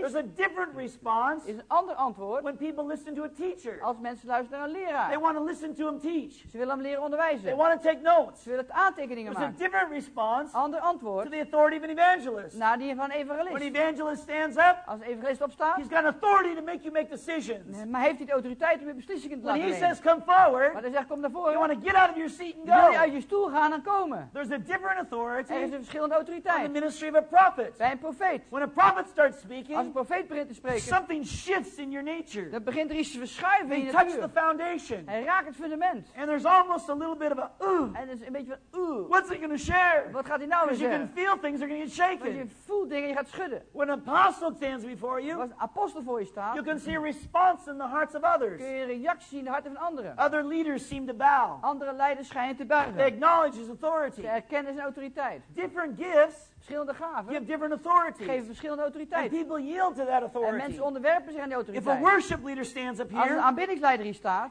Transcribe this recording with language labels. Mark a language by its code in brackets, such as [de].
[en] There's a different response [nl] is een ander antwoord. [en] When people listen to a teacher. [nl] Als mensen luisteren naar een leraar. [en] They want to listen to him teach. [nl] Ze willen hem leren onderwijzen. [en] They want to take notes. [nl] Ze willen het aantekeningen maken. [en] It's a different response. [nl] Ander antwoord. [en] To the authority of an evangelist. [nl] Na die van een evangelist. [en] When an evangelist stands up. [nl] Als een evangelist opstaat. [en] He's got authority to make you make decisions. [nl] Maar heeft hij de autoriteit om je beslissingen te laten nemen. [en] When he says come forward. [nl] Maar hij zegt kom naar voren. [en] You want to get out of your seat and go. [nl] Wil je uit je stoel gaan en komen. [en] There's a different authority. [nl] Er is een verschillende autoriteit. [en] On the ministry of a prophet. [nl] Bij een profeet. [en] When a prophet starts speaking. [nl] Als een profeet begint te spreken. [en] Something shifts in your nature. [nl] Dat begint er iets te verschuiven in je natuur. [en] Touch the foundation. [nl] Hij raakt het fundament. [en] And there's almost a little bit of a ooh. [nl] En er is een beetje van ooh. [en] What's it going to share? [nl] Wat gaat hij nou weer zeggen? [en] You can feel things are going to get shaken. [nl] Je voelt dingen, je gaat schudden. [en] When an apostle stands before you. [nl] Als een apostel voor je staat. [en] You can see a response in the hearts of others. [nl] Kun je een reactie zien in de harten van anderen. [en] Other leaders seem to bow. [nl] Andere leiders schijnen te buigen. [en] They acknowledge his authority. [nl] Ze erkennen zijn autoriteit. [en] Different gifts. [nl] Verschillende gaven. [en] You have different authorities. [nl] Geven verschillende autoriteiten. [en] And people yield to that authority. [nl] En mensen onderwerpen zich aan die autoriteit. [en] If a worship leader stands up here. [nl] Als een aanbiddingsleider hier staat.